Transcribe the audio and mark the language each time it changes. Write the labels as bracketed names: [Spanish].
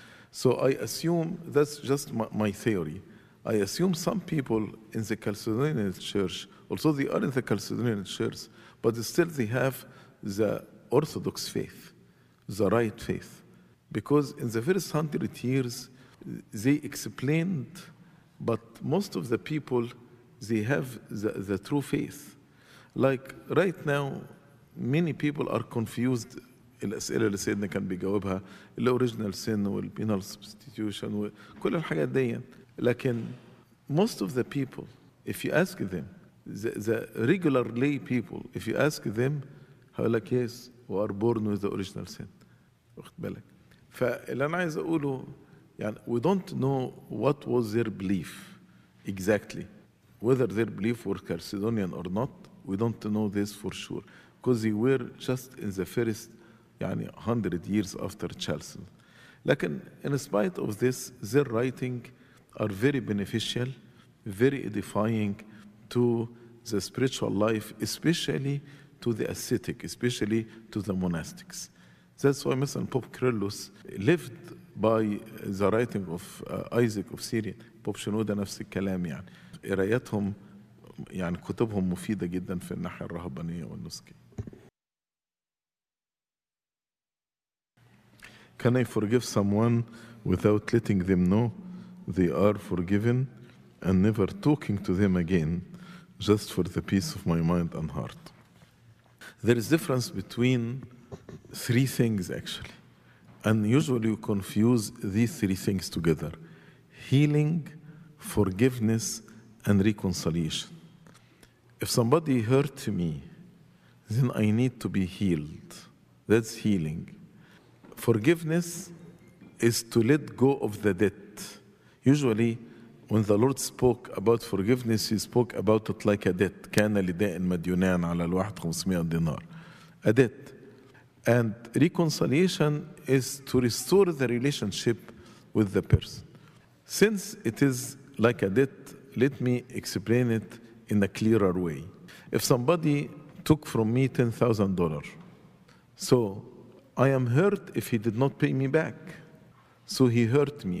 [English] So I assume, that's just my theory, I assume some people in the Chalcedonian church, although they are in the Chalcedonian church, but still they have the Orthodox faith, the right faith. Because in the first 100 years, they explained, but most of the people, they have the true faith. Like right now, many people are confused. [Arabic] الأسئلة اللي سيدنا كان بيجاوبها, الـ original sin والـ penal substitution وكل الحاجات دي. لكن [English] most of the people, if you ask them, the regular lay people, if you ask them, [Arabic] هقول لك [English] yes, we are born with the original sin. [Arabic] واخد بالك؟ فاللي أنا عايز أقوله, يعني [English] we don't know what was their belief exactly. Whether their belief were Chalcedonian or not, we don't know this for sure. Because they were just in the first, [Arabic] يعني [English] 100 years after Chalcedon. [Arabic] لكن [English] in spite of this, their writing are very beneficial, very edifying to the spiritual life, especially to the ascetic, especially to the monastics. That's why [Arabic] مثلا [English] Pope Kyrillus lived by the writing of Isaac of Syria. [Arabic] Pope Shenouda نفس الكلام, يعني قراياتهم, يعني كتبهم مفيدة جدا في الناحية الرهبانية والنسكية. [English] Can I forgive someone without letting them know they are forgiven and never talking to them again, just for the peace of my mind and heart? There is difference between three things, actually. And usually you confuse these three things together: healing, forgiveness, and reconciliation. If somebody hurt me, then I need to be healed. That's healing. Forgiveness is to let go of the debt. Usually, when the Lord spoke about forgiveness, he spoke about it like a debt. [Arabic] كان لداء مديونان على الواحد 500 دينار. [English] A debt. And reconciliation is to restore the relationship with the person. Since it is like a debt, let me explain it in a clearer way. If somebody took from me $10,000, so I am hurt if he did not pay me back. So he hurt me.